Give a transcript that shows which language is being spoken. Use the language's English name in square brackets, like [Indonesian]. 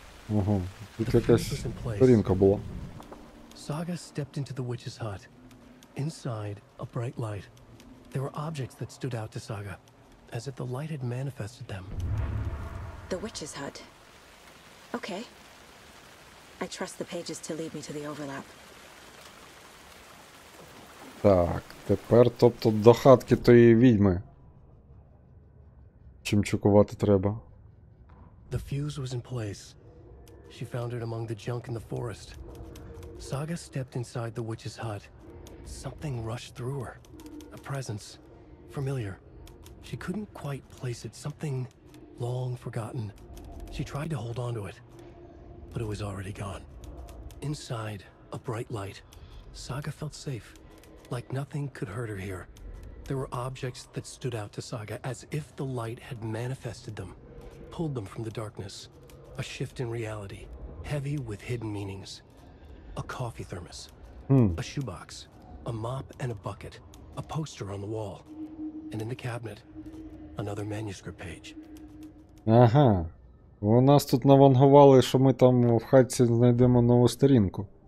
[Ukrainian] Ого, тут якась сторінка була. [English] Saga stepped into the witch's hut. Inside, a bright light. There were objects that stood out to Saga, as if the light had manifested them. The witch's hut. Okay. I trust the pages to lead me to the overlap. [Ukrainian] Так, тепер, тобто, до хатки тої відьми. Чим чекувати треба? [English] The fuse was in place. She found it among the junk in the forest. Saga stepped inside the witch's hut. Something rushed through her. A presence. Familiar. She couldn't quite place it. Something long forgotten. She tried to hold on to it. But it was already gone. Inside, a bright light. Saga felt safe. Like nothing could hurt her here. There were objects that stood out to Saga as if the light had manifested them, pulled them from the darkness. A shift in reality, heavy with hidden meanings. A coffee thermos, a shoebox, a mop and a bucket, a poster on the wall, and in the cabinet, another manuscript page. Ага. [Ukrainian] У нас тут навангували, що ми там в хатці знайдемо нову сторінку.